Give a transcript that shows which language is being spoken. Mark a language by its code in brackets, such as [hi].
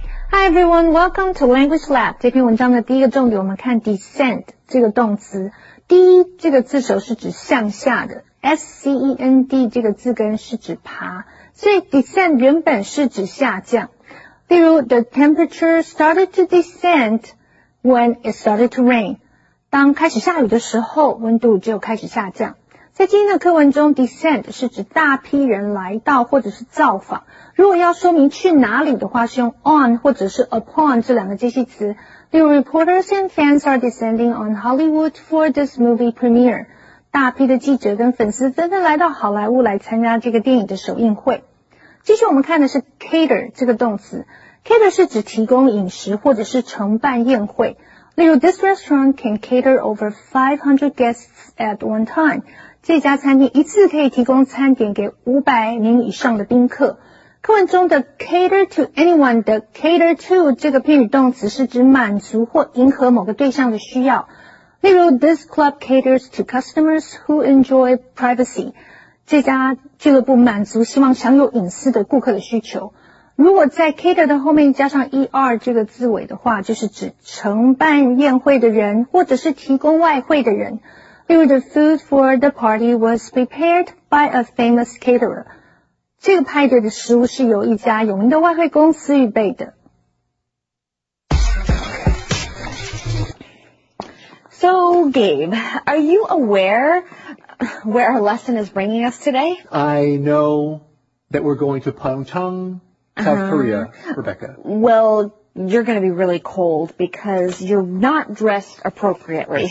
[en] Hi everyone, welcome to Language Lab. [zh] 这篇文章的第一个重点我们看 descend 这个动词。第一这个字首是指向下的 ,S-C-E-N-D 这个字根是指爬。所以 descend 原本是指下降。例如 [en] ,the temperature started to descend when it started to rain. [zh] 当开始下雨的时候温度就开始下降。在今天的课文中 ,descend 是指大批人来到或者是造访。如果要说明去哪里的话是用 on 或者是 upon 这两个介系词。例如 [en] reporters and fans are descending on Hollywood for this movie premiere. [zh] 大批的记者跟粉丝纷纷来到好莱坞来参加这个电影的首映会。继续我们看的是 cater 这个动词。cater 是指提供饮食或者是承办宴会。例如 [en] this restaurant can cater over 500 guests at one time. [zh] 这家餐厅一次可以提供餐点给500名以上的宾客。课文中的 cater to anyone 的 cater to 这个片语动词是指满足或迎合某个对象的需要。例如 [en] this club caters to customers who enjoy privacy. [zh] 这家俱乐部满足希望享有隐私的顾客的需求。如果在 cater 的后面加上 er 这个字尾的话，就是指承办宴会的人或者是提供外汇的人。例如 [en] the food for the party was prepared by a famous caterer. [zh] 这个派对的食物是由一家有名的外汇公司预备的。 [en] So, Gabe, are you aware where our lesson is bringing us today? I know that we're going to Pyeongchang, South Korea, Rebecca. Well, you're going to be really cold because you're not dressed appropriately.